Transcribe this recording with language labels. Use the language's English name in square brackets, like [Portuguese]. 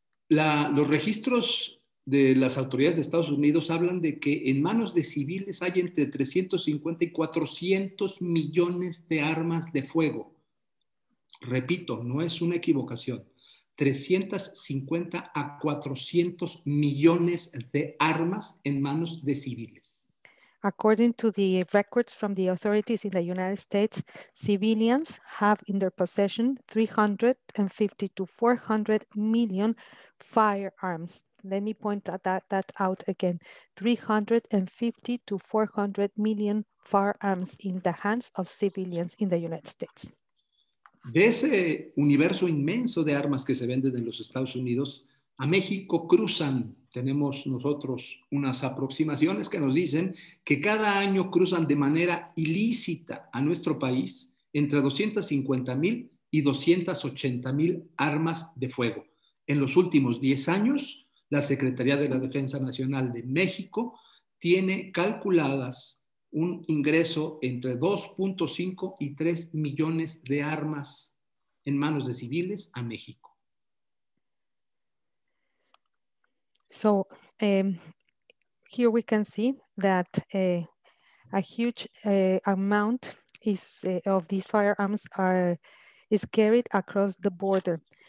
[Spanish] Los registros de las autoridades de Estados Unidos hablan de que en manos de civiles hay entre 350 y 400 millones de armas de fuego. Repito, no es una equivocación. 350 a 400 millones de armas en manos de civiles. [English] According to the records from the authorities in the United States, civilians have in their possession 350 to 400 million firearms. Let me point that out again. 350 to 400 million firearms in the hands of civilians in the United States. [Spanish] De ese universo inmenso de armas que se venden en los Estados Unidos, a México cruzan, tenemos nosotros unas aproximaciones que nos dicen que cada año cruzan de manera ilícita a nuestro país entre 250 mil y 280 mil armas de fuego. En los últimos 10 años, la Secretaría de la Defensa Nacional de México tiene calculadas un ingreso entre 2.5 y 3 millones de armas en manos de civiles a México. [English] So, here we can see that a huge amount is of these firearms are is carried across the border.